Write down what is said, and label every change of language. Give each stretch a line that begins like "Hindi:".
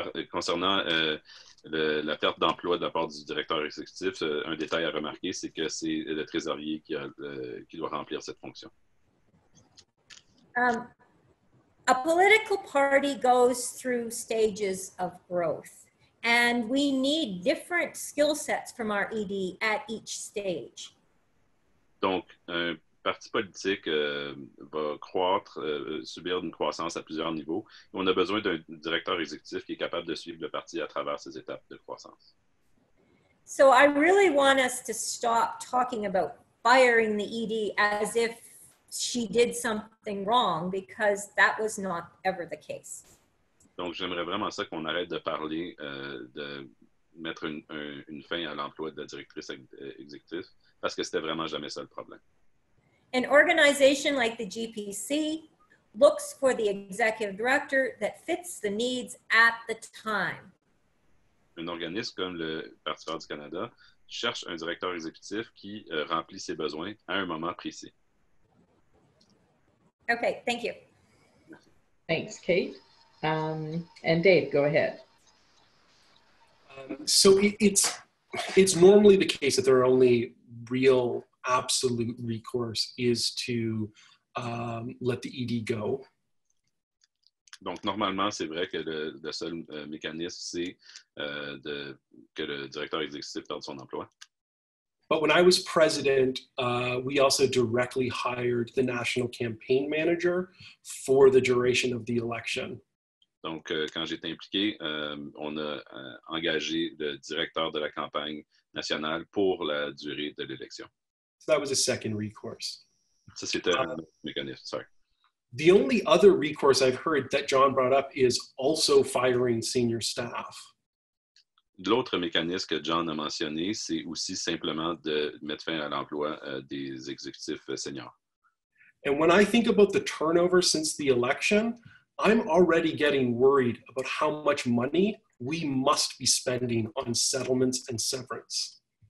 French: Concernant la perte d'emploi de la part du directeur exécutif, un détail à remarquer, c'est que c'est le trésorier qui doit remplir cette fonction.
English: A political party goes through stages of growth, and we need different skill sets from our ED at each stage.
French: Donc, un parti politique va croître, subir une croissance à plusieurs niveaux. On a besoin d'un directeur exécutif qui est capable de suivre le parti à travers ces étapes de croissance.
English: So I really want us to stop talking about firing the ED as if she did something wrong, because that was not ever the case.
French: Donc j'aimerais vraiment ça qu'on arrête de parler de mettre une fin à l'emploi de la directrice exécutive, parce que c'était vraiment jamais ça le problème.
English: An organization like the GPC looks for the executive director that fits the needs at the time.
French: Un organisme comme le Parti vert du Canada cherche un directeur exécutif qui remplit ses besoins à un moment précis.
English: Okay, thank you. Thanks, Kate. And Dave, go ahead. So it's normally the case that their only real absolute recourse is to let the ED go.
French: Donc normalement, c'est vrai que le seul mécanisme, c'est que le directeur exécutif perde son emploi.
English: But when I was president, we also directly hired the national campaign manager for the duration of the election.
French: Donc, quand j'étais impliqué, on a engagé le directeur de la campagne nationale pour la durée de l'élection.
English: So that was a second recourse.
French: Ça, c'était un mécanisme, sorry.
English: The only other recourse I've heard that John brought up is also firing senior staff.
French: L'autre mécanisme que John a mentionné, c'est aussi simplement de mettre fin à l'emploi des exécutifs seniors.
English: And when I think about the turnover since the election, I'm already getting worried about how much money we must be spending on settlements and severance.